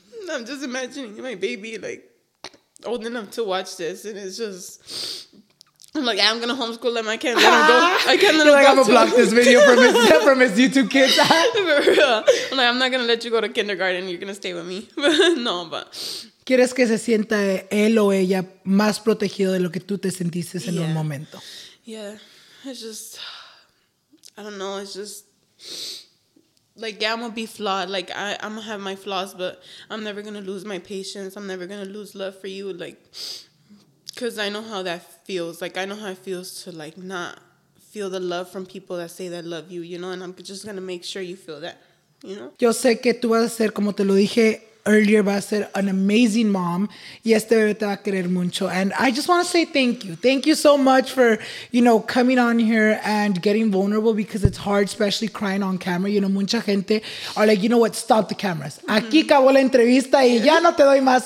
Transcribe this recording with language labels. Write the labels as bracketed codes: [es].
[en] I'm just imagining my baby, like, old enough to watch this, and it's just, I'm like, I'm gonna homeschool them. I can't let them go. I can't let them go. I'm gonna block this video from his YouTube kids. I'm like, I'm not gonna let you go to kindergarten. You're gonna stay with me. No, but. [es] ¿Quieres que se sienta él o ella más protegido de lo que tú te sentiste en un momento? [en] Yeah. It's just, I don't know. It's just, like, yeah, I'm gonna be flawed. Like, I'm gonna have my flaws, but I'm never gonna lose my patience. I'm never gonna lose love for you. Like, because I know how that feels. Like, I know how it feels to, like, not feel the love from people that say they love you, you know? And I'm just going to make sure you feel that, you know? [es] Yo sé que tú vas a ser, como te lo dije [en] earlier, [es] vas a ser [en] an amazing mom. [es] Y este bebé te va a querer mucho. [en] And I just want to say thank you. Thank you so much for, you know, coming on here and getting vulnerable, because it's hard, especially crying on camera. You know, [es] mucha gente [en] are like, you know what? Stop the cameras. Mm-hmm. [es] Aquí acabó la entrevista y ya no te doy más.